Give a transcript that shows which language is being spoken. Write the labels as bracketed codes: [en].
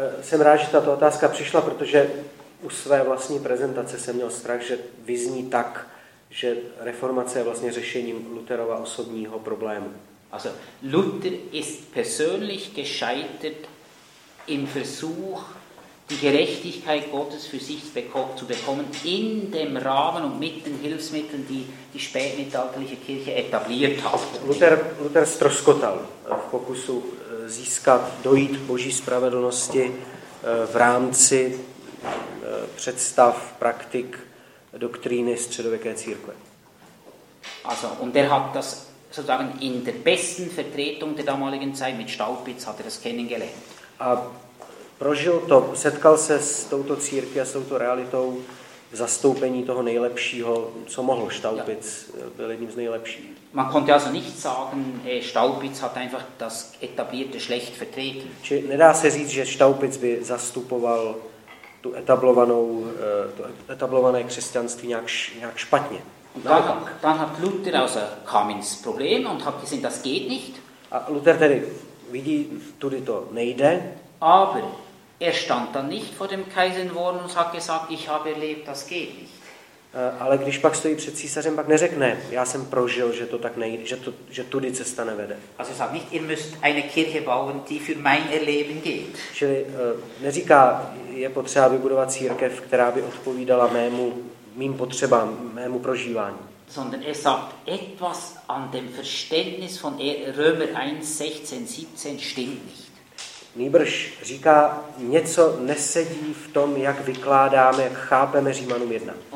[cs] Jsem rád, že tato otázka přišla, protože u své vlastní prezentace jsem měl strach, že vyzní tak, že reformace je vlastně řešením Lutherova osobního problému. [de] Also Luther ist persönlich gescheitert im Versuch, die Gerechtigkeit Gottes für sich zu bekommen in dem Rahmen und mit den Hilfsmitteln, die spätmittelalterliche Kirche etabliert hat. [cs] Luther ztroskotal v pokusu získat, dojít Boží spravedlnosti v rámci představ, praktik, doktríny středověké církve. [de] Also, und er hat das sozusagen in der besten Vertretung der damaligen Zeit mit Staupitz hat er das kennengelernt. [cs] A prožil to, setkal se s touto církví a s touto realitou v zastoupení toho nejlepšího, co mohl Staupitz, byl jedním z nejlepších. [de] Man konnte also nicht sagen, Staupitz hat einfach das etablierte schlecht vertreten. [cs] Čili nedá se říct, že Staupitz by zastupoval tu etablovanou, to etablované křesťanství nějak špatně. [de] Dann hat Luther also kam ins Problem und hat gesehen, das geht nicht. [cs] A Luther tedy vidí, tudy to nejde. [de] Aber er stand dann nicht vor dem Kaiser in Worms und hat gesagt, ich habe erlebt, das geht nicht. [cs] Ale když pak stojí před císařem, pak neřekne, já jsem prožil, že to tak nejde, že tudy cesta nevede. [de] Also sagt nicht, ihr müsst eine Kirche bauen, die für mein Erleben geht. [cs] Čili neříká, je potřeba vybudovat církev, která by odpovídala mým potřebám, mému prožívání. [de] Sondern er sagt, etwas an dem Verständnis von Römer 1:16-17 stimmt nicht. [cs] Nýbrž říká, něco nesedí v tom, jak vykládáme, jak chápeme Římanům 1.